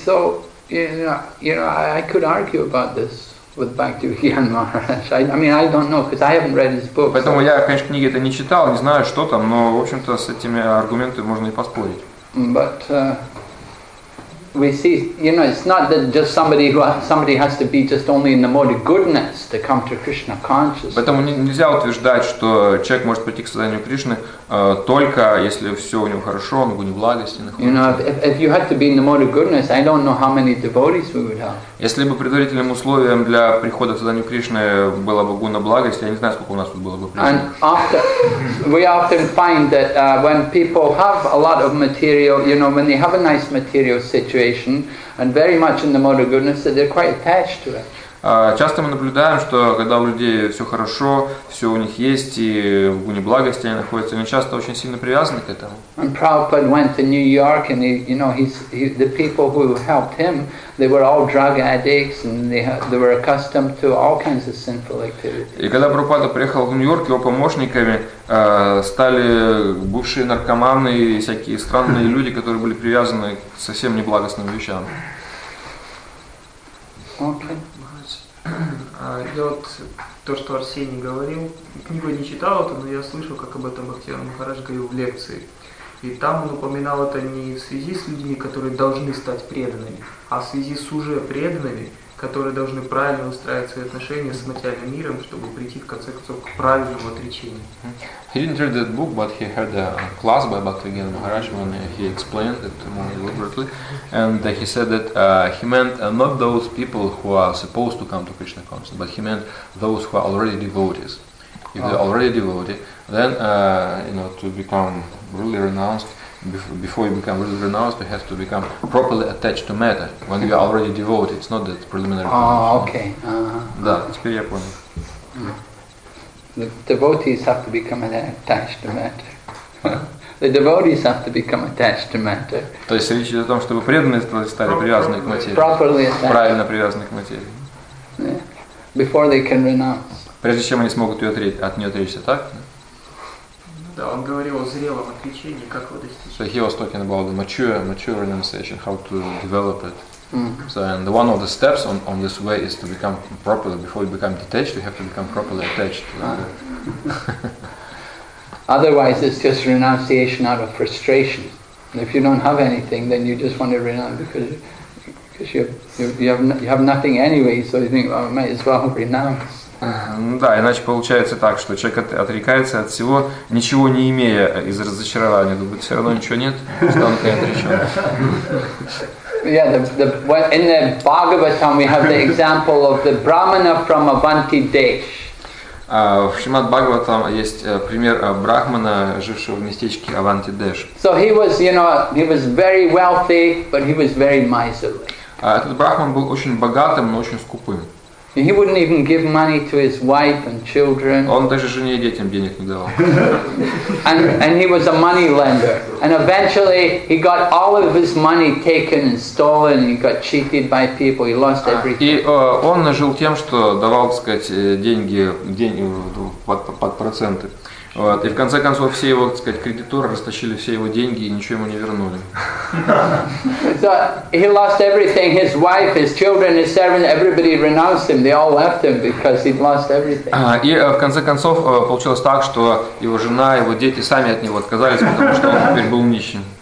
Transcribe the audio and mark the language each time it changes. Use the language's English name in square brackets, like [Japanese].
[English] So, you know, I could argue about this with Bhaktivedanta Maharaj. I mean, I don't know because I haven't read his book. [Russian] Поэтому я, конечно, книги это не читал, не знаю, что там. Но в общем-то с этими аргументами можно и поспорить. [English] But we see, you know, it's not that just somebody has to be just only in the mode of goodness to come to Krishna consciousness. [Russian] Поэтому нельзя утверждать, что человек может прийти к сознанию Кришны только если все у него хорошо, он в гуне благости находится. [English] You know, if you had to be in the mode of goodness, I don't know how many devotees we would have. [Russian] Если бы предварительным условием для прихода к сознанию Кришны была бы гуна благости, я не знаю, сколько у нас тут было бы преданных. [English] And after, we often find that when people have a lot of material, you know, when they have a nice material situation and very much in the mode of goodness, that they're quite attached to it. [Russian] Часто мы наблюдаем, что когда у людей все хорошо, все у них есть, и в гуне благости они находятся, они часто очень сильно привязаны к этому. [English] And Prabhupada went to New York, and the people who helped him, they were all drug addicts, and they were accustomed to all kinds of sinful activities. [Russian] И когда Прабхупада приехал в Нью-Йорк, его помощниками стали бывшие наркоманы и всякие странные люди, которые были привязаны к совсем неблагостным вещам. [English] Okay. [Russian] Я вот то, что Арсений говорил, книгу не читал, но я слышал, как об этом Бхактивинода Махарадж говорил в лекции. И там он упоминал это не в связи с людьми, которые должны стать преданными, а в связи с уже преданными, которые должны правильно устраивать свои отношения с материальным миром, чтобы прийти в конце концов к правильному отречению. [English] He didn't read that book, but he heard a class by Bhaktivinoda Maharaj when he explained it more deliberately, and he said that he meant not those people who are supposed to come to Krishna consciousness, but he meant those who are already devotees. If they're already devotee, then to become really renounced. Before you become really renounced, you have to become properly attached to matter. When you are already devoted, it's not that preliminary. Okay. [Russian] Да, теперь я понял. [English] The devotees have to become attached to matter. The devotees have to become attached to matter. [Russian] То есть речь идет о том, чтобы преданные стали привязаны к материи. [English] Properly attached. [Russian] Правильно привязаны к материи. [English] Yeah. Before they can renounce. [Russian] Прежде чем они смогут от нее отречься, так? Да, он говорил о зрелом отречении, как его достичь. [English] So he was talking about the mature renunciation, how to develop it. Mm-hmm. So and one of the steps on this way is to become properly, before you become detached, you have to become properly attached. Otherwise, it's just renunciation out of frustration. If you don't have anything, then you just want to renounce because you have nothing anyway, so you think, well, I might as well renounce. [Russian] Ну да, иначе получается так, что человек отрекается от всего, ничего не имея из разочарования, думает, все равно ничего нет, станка и отречен. [English] Yeah, in the Bhagavatam we have the example of the Brahmana from Avanti Desh. [Russian] В Шримад Бхагаватам есть пример Брахмана, жившего в местечке Аванти Деш. [English] So he was, you know, he was very wealthy, but he was very miserly. [Russian] Этот Брахман был очень богатым, но очень скупым. [English] He wouldn't even give money to his wife and children. [Russian] Он даже жене и детям денег не давал. [English] And he was a money lender. And eventually he got all of his money taken and stolen. He got cheated by people. He lost everything. [Russian] И он нажил тем, что давал, так сказать, деньги под проценты. Вот. И в конце концов все его, так сказать, кредиторы растащили все его деньги и ничего ему не вернули. [English] So he lost everything, his wife, his children, his servants, everybody renounced him, they all left him because he'd lost everything. [Russian] И в конце концов получилось так, что его жена, его дети сами от него отказались, потому что он теперь был нищим.